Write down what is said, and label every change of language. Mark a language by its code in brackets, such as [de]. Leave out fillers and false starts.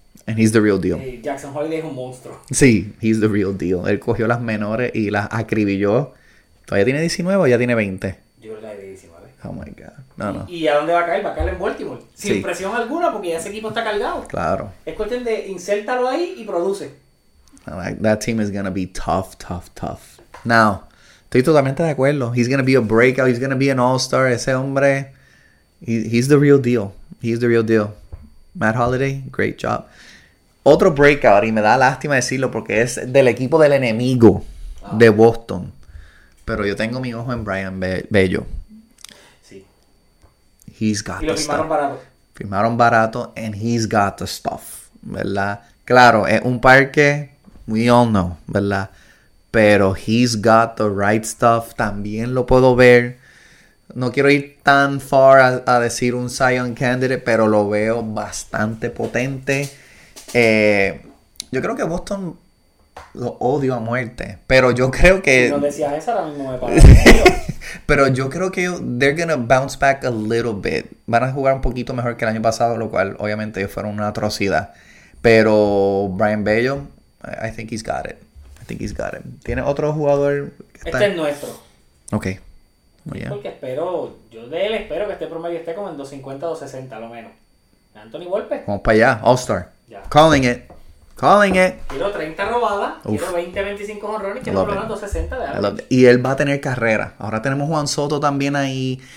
[en] And he's the real deal. [es] Jackson Holliday es un monstruo. Sí, [en] he's the real deal. [es] Él cogió las menores y las acribilló. ¿Todavía tiene 19 o ya tiene 20? Yo creo que la de 19. Oh, my God. No, no. ¿Y a dónde va a caer? Va a caer en Baltimore. Sin presión alguna, porque ya ese equipo está cargado. Claro. Es cuestión de insértalo ahí y produce. [en] That team is going to be tough, tough, tough. Now, [es] estoy totalmente de acuerdo. [en] He's going to be a breakout. He's going to be an all-star. [es] Ese hombre, [en] he's the real deal. He's the real deal. Matt Holliday, great job. [es] Otro breakout, y me da lástima decirlo porque es del equipo del enemigo de Boston. Pero yo tengo mi ojo en Brian Bello. Sí. [en] He's got the stuff. [es] Y lo firmaron barato. Firmaron barato, [en] and he's got the stuff, [es] ¿verdad? Claro, es un parque, [en] we all know, [es] ¿verdad? Pero [en] he's got the right stuff, [es] también lo puedo ver. No quiero ir tan far a decir un Cy Young candidate, pero lo veo bastante potente. Yo creo que Boston lo odio a muerte, pero yo creo que... Si no decías eso, ahora mismo me parece. [en] Pero yo creo que they're gonna bounce back a little bit. [es] Van a jugar un poquito mejor que el año pasado, lo cual obviamente ellos fueron una atrocidad. [en] Pero Brian Bello, I think he's got it. I think he's got it. [es] ¿Tiene otro jugador? Este es nuestro. Ok. [en] Oh, yeah. [es] Porque espero, yo de él espero que este promedio esté como en 250 o 60 a lo menos. Anthony Volpe. Vamos para allá, [en] All-Star. Calling it. Calling it. [es] Quiero 30 robadas, quiero 20, 25 honrones y quiero probar 260 de algo. Y él va a tener carrera. Ahora tenemos Juan Soto también ahí.